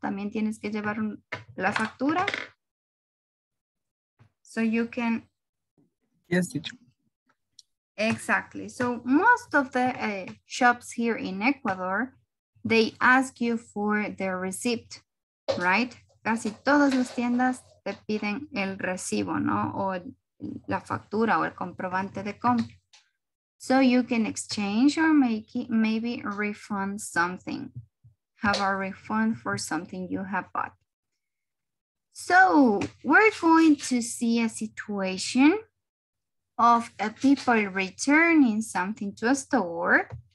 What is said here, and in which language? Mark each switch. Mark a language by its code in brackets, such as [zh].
[es] También tienes que llevar la factura? [en] So you can... Yes, teacher. Exactly. So most of the shops here in Ecuador, they ask you for their receipt, right? [es] Casi todas las tiendas te piden el recibo, ¿no? O la factura o el comprobante de compra. [en] So you can exchange or maybe refund something. Have a refund for something you have bought. So we're going to see a situation of a people returning something to a store.